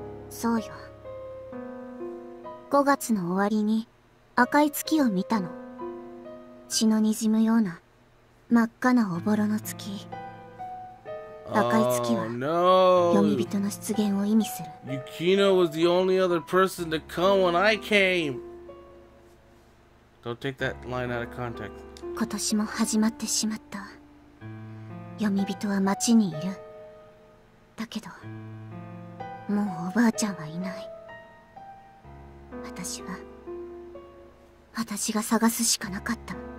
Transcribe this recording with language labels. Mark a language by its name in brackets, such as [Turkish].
[Japanese] そうよ。 5月の終わりに赤い月を見たの。血の滲むような真っ赤なおぼろの月。赤い月は、読み人の出現を意味する。 [English] Yukino was the only other person to come when I came! Don't take that line out of context. [Japanese] 今年も始まってしまった。読み人は町にいる。だけど、もうおばあちゃんはいない。私は、私が探すしかなかった。